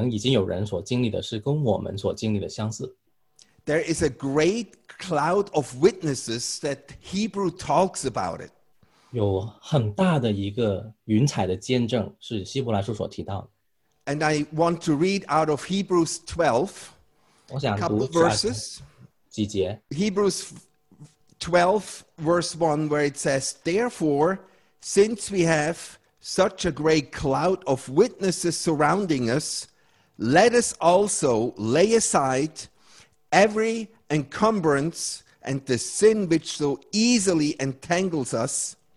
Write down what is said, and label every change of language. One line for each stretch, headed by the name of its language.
Chinese: 还有就是无论我们到哪里去，我们所经历的，原来在历史当中可能已经有人所经历的是跟我们所经历的相似。
English: There is a great cloud of witnesses that Hebrew talks about it.
Chinese: 有很大的一个云彩的见证是希伯来书所提到的。
English: And I want to read out of Hebrews 12, a couple of verses.
Chinese: 几节?
English: Hebrews 12, verse 1, where it says, Therefore, since we have such a great cloud of witnesses surrounding us, let us also lay aside every encumbrance and the sin which so easily entangles us,